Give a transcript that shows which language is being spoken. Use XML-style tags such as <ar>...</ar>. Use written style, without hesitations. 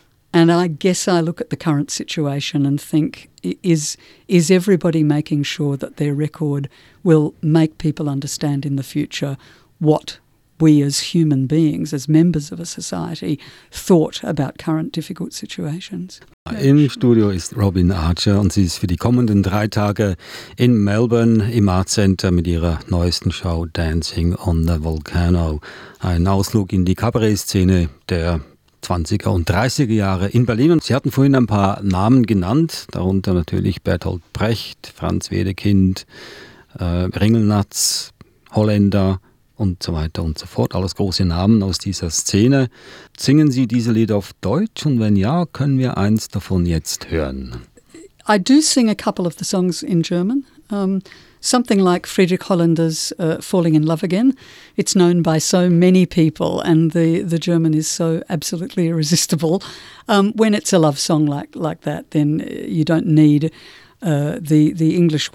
<en>And I guess I look at the current situation and think, is everybody making sure that their record will make people understand in the future what we as human beings, as members of a society, thought about current difficult situations?</en> <de>Im Studio ist Robin Archer und sie ist für die kommenden 3 Tage in Melbourne im Art Center mit ihrer neuesten Show Dancing on the Volcano. Ein Ausflug in die Kabarett-Szene der 20er und 30er Jahre in Berlin. Und Sie hatten vorhin ein paar Namen genannt, darunter natürlich Bertolt Brecht, Franz Wedekind, Ringelnatz, Holländer und so weiter und so fort. Alles große Namen aus dieser Szene. Singen Sie diese Lieder auf Deutsch? Und wenn ja, können wir eins davon jetzt hören?</de> <en>I do sing a couple of the songs in German. Something like Friedrich Holländer's Falling in Love Again. It's known by so many people and the German is so absolutely irresistible. When it's a love song like that, then you don't need the English.</en>